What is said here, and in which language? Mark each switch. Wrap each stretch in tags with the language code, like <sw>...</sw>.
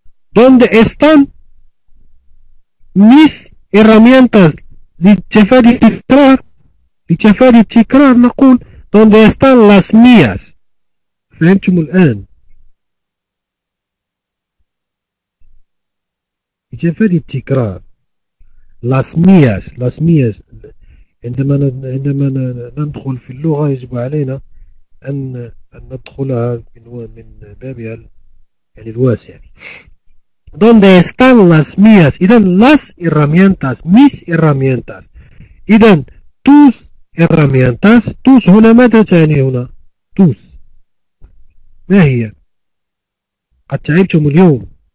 <es>¿Dónde están mis herramientas؟</es> <ar>لتفادي التكرار نقول</ar> <es>¿Dónde están las mías؟</es> <ar>فهمتم الآن؟ لتفادي التكرار،</ar> <es>las mías.</es> <ar>عندما ندخل في اللغة يجب علينا أن ندخلها من بابها يعني الواسع.</ar> <es>¿Dónde están las mías؟</es> <ar>إذن</ar> <es>las herramientas، mis herramientas.</es> <ar>إذن</ar> <es>tus herramientas،</es> <ar>tus هنا ماذا تعني هنا؟ tus ما هي؟ قد تعبتم اليوم.</ar>